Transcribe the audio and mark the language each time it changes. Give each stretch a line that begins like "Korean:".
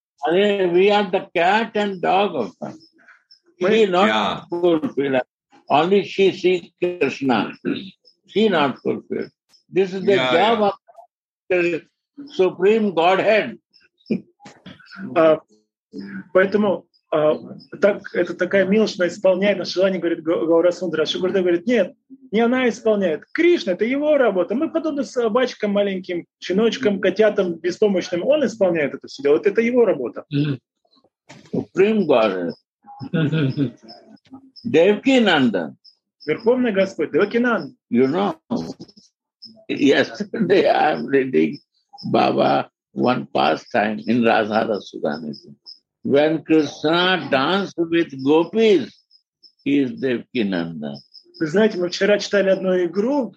English: We are the cat and dog of her. She not fulfill. Only she sees Krishna. She not fulfill. This is the job of the Supreme Godhead.
Russian: Поэтому так, это такая милость, она исполняет наше желание, говорит Гаура Сундра. А Шугурдев говорит, нет, не она исполняет. Кришна, это его работа. Мы подобны собачкам маленьким, щеночкам, котятам беспомощным. Он исполняет это все дело. Вот это его работа.
English: Supreme Godhead. Девкинанда.
Russian: Верховный Господь, Девкинанд.
English: You know. Yesterday I am reading Baba one pastime in Radhara Sudhanism. When Krishna danced with gopis, he is Devkinanda.
Russian: Вы знаете, мы вчера читали одну игру.